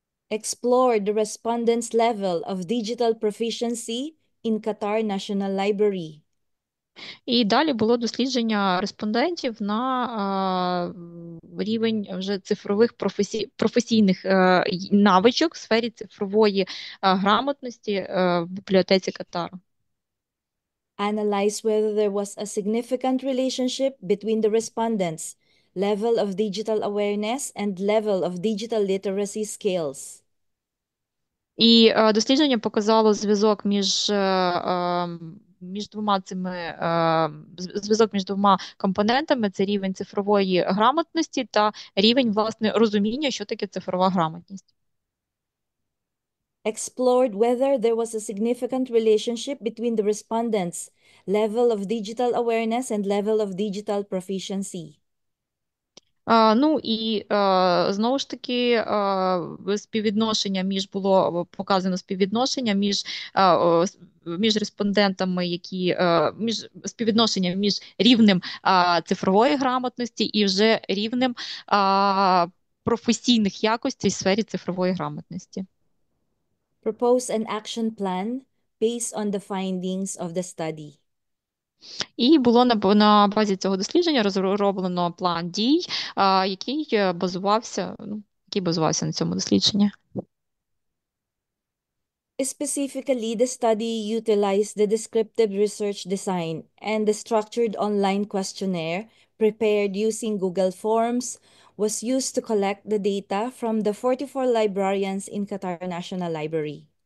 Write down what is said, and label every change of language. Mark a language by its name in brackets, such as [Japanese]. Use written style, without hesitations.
[English] Explore the respondents' level of digital proficiency in Qatar National Library. [Ukrainian] І далі було дослідження респондентів на рівень вже цифрових професійних навичок в сфері цифрової грамотності в бібліотеці Катару. [English] Analyze whether there was a significant relationship between the respondents' level of digital awareness and level of digital literacy skills. [Ukrainian] І дослідження показало зв'язок між двома компонентами, це рівень цифрової грамотності та рівень власне розуміння, що таке цифрова грамотність. [English] Explored whether there was a significant relationship between the respondents' level of digital awareness and level of digital proficiency. [Ukrainian] Ну і знову ж таки співвідношення між було показано співвідношення між між респондентами, які між співвідношенням між рівнем цифрової грамотності і вже рівнем професійних якостей в сфері цифрової грамотності. [English] Propose an action plan based on the findings of the study. [Ukrainian] І було на базі цього дослідження розроблено план дій, який базувався на цьому дослідженні. [English] Specifically, the study utilized the descriptive research design and the structured online questionnaire prepared using Google Forms was used to collect the data from the 44 librarians in Qatar National Library.